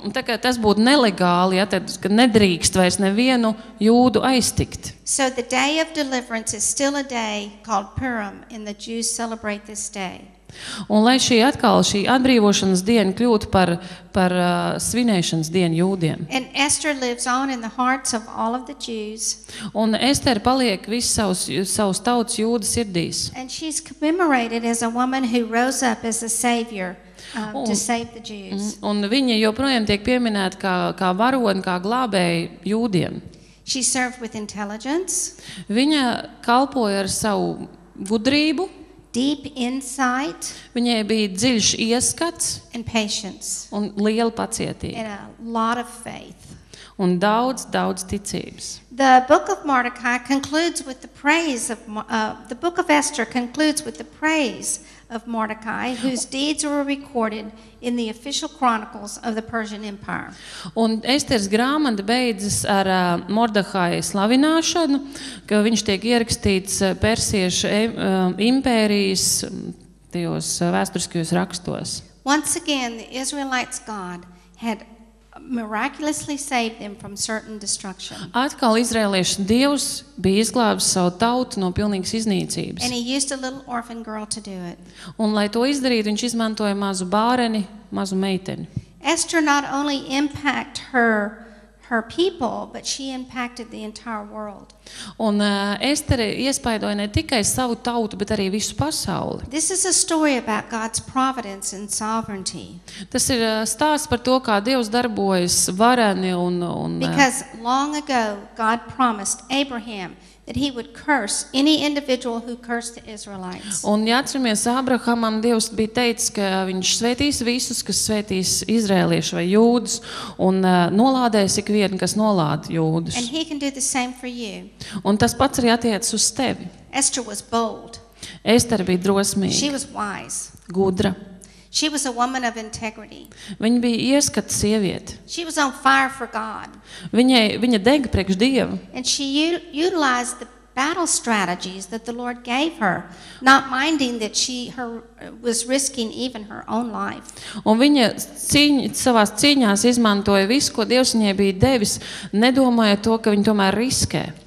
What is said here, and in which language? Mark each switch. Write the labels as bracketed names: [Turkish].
[Latvian] Un tā kā tas būtu nelegāli, ja, tad nedrīkst vairs nevienu jūdu aiztikt. [English] So the day of deliverance is still a day called Purim and the Jews celebrate this day. [Latvian] Un lai šī atbrīvošanas diena kļūtu par svinēšanas dienu jūdiem. [English] And Esther lives on in the hearts of all of the Jews. [Latvian] Un Ester paliek visu savus tautas jūdu sirdīs. [English] And she's commemorated as a woman who rose up as a savior to save the Jews. [Latvian] Un viņa joprojām tiek pieminēta kā varone, kā glābēja jūdiem. [English] She served with intelligence. [Latvian] Viņa kalpoja ar savu gudrību. [English] Deep insight. [Latvian] Viņai bija dziļš ieskats. [English] And patience. [Latvian] Un liela pacietība. [English] And a lot of faith. [Latvian] Un daudz, daudz ticības. [English] The book of Mordecai concludes with the praise of the book of Esther concludes with the praise of Mordecai whose deeds were recorded in the official chronicles of the Persian Empire. [Latvian] Un Esters grāmata beidzas ar Mordehaja slavināšanu, ka viņš tiek ierakstīts Persiešu impērijas tajos vēsturiskajos rakstos. [English] Once again, the Israelites' God had miraculously saved them from certain destruction. [Latvian] Atkal izraeliešu Dievs bija izglābis savu tautu no pilnīgas iznīcības. [English] And he used a little orphan girl to do it. [Latvian] Un lai to izdarītu, viņš izmantoja mazu bāreni, mazu meiteni. [English] Esther not only impacted her people, but she impacted the entire world. [Latvian] Un Estere iespaidoja ne tikai savu tautu, bet arī visu pasauli. [English] This is a story about God's providence and sovereignty. [Latvian] Tas ir stāsts par to, kā Dievs darbojas vareni un [English] Because long ago God promised Abraham that he would curse any individual who cursed the Israelites. [Latvian] Un jāatceramies, Abrahamam Dievs bija teicis, ka viņš svētīs visus, kas svētīs izraeliešu vai jūdus, un nolādēs ikvienu, kas nolāda jūdus. [English] And he can do the same for you. [Latvian] Un tas pats arī attiec uz tevi. [English] Esther was bold. [Latvian] Ester bija drosmīga. [English] She was wise. [Latvian] Gudra. [English] She was a woman of integrity. [Latvian] Viņa bija ieskata sieviete. [English] She was on fire for God. [Latvian] Viņa deg priekš Dievu. [English] And she utilized the battle strategies that the Lord gave her, not minding that she was risking even her own life. [Latvian] Un viņa savās cīņās izmantoja visu, ko Dievs viņai bija devis, nedomājot to, ka viņa tomēr riskē.